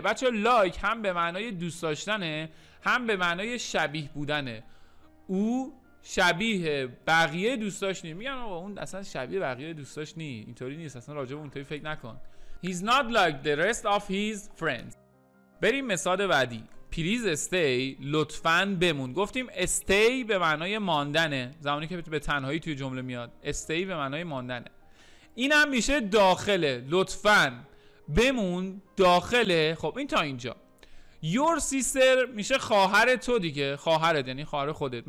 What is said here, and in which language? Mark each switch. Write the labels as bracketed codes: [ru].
[fa] بچه لایک هم به معنای دوست داشتنه هم به معنای شبیه بودنه. او شبیه بقیه دوستاش نیست. میگن آقا اون اصلا شبیه بقیه دوستاش نیست، اینطوری نیست، اصلا راجع به اونطوری فکر نکن. [en] he's not like the rest of his friends. [fa] بریم مثال بعدی. [en] please stay، [fa] لطفاً بمون. گفتیم stay به معنای ماندنه زمانی که به تنهایی توی جمله میاد. stay به معنای ماندنه. این هم میشه داخله، لطفاً بمون داخله. خب این تا اینجا. [en] your sister [fa] میشه خواهر تو دیگه، خواهرت یعنی خواهر خودت.